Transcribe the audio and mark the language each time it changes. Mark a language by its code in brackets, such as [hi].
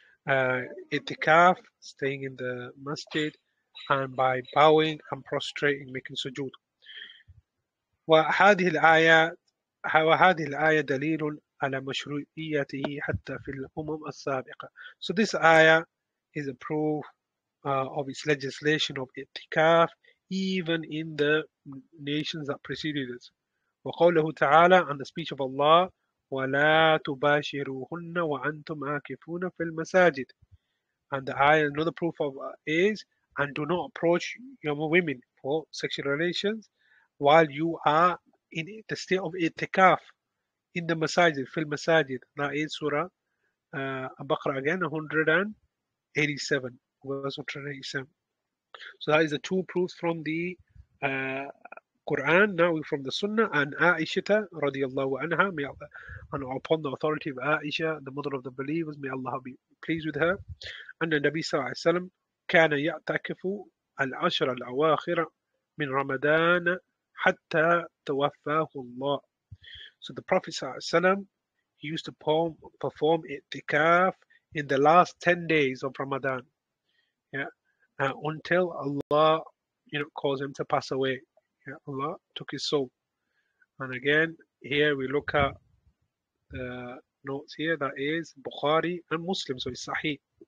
[en] Itikaf, staying in the masjid, and by bowing and prostrating, making sujood. [ar] وهذه الآية دليل على مشروعيته حتى في الأمم السابقة. [en] So this ayah is a proof of its legislation of itikaf even in the nations that preceded it. [ar] وقوله تعالى [en] and the speech of Allah. [ar] وَلَا تُبَاشِرُوهُنَّ وَأَنْتُمْ عَاكِفُونَ فِي الْمَسَاجِدِ [en] And the ayah, another proof of is, and do not approach your women for sexual relations while you are in the state of itikaf in the masajid, fil masajid. That is Surah Baqarah again, 187, verse 187. So that is the two proofs from the Quran, now from the Sunnah, and Aisha radiallahu anha, and upon the authority of Aisha, the mother of the believers, may Allah be pleased with her. And the Nabi sallallahu alayhi wa sallam, [ar] كان يعتكف العشر الأواخر من رمضان حتى توفاه الله. [en] So the Prophet sallallahu alayhi wa sallam, he used to perform itikaf in the last 10 days of Ramadan, yeah, until Allah, you know, caused him to pass away. Yeah, Allah took his soul. And again, here we look at the notes here, that is Bukhari and Muslim, so it's Sahih.